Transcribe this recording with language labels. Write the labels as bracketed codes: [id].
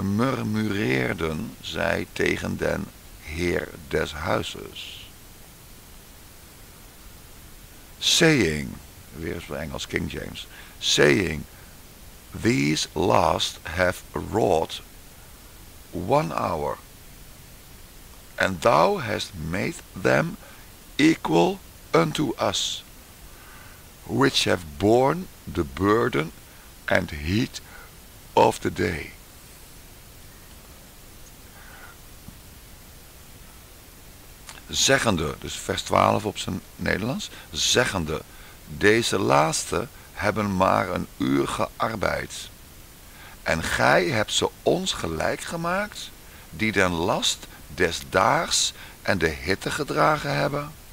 [nl] Murmureerden zij tegen den Heer des Huizes. Saying. Weer eens voor Engels, King James. [en] Saying, these last have wrought 1 hour, and thou hast made them equal unto us, which have borne the burden and heat of the day. [nl] Zeggende, dus vers 12 op zijn Nederlands, zeggende, deze laatste hebben maar een uur gearbeid. En gij hebt ze ons gelijk gemaakt, die den last des daags en de hitte gedragen hebben.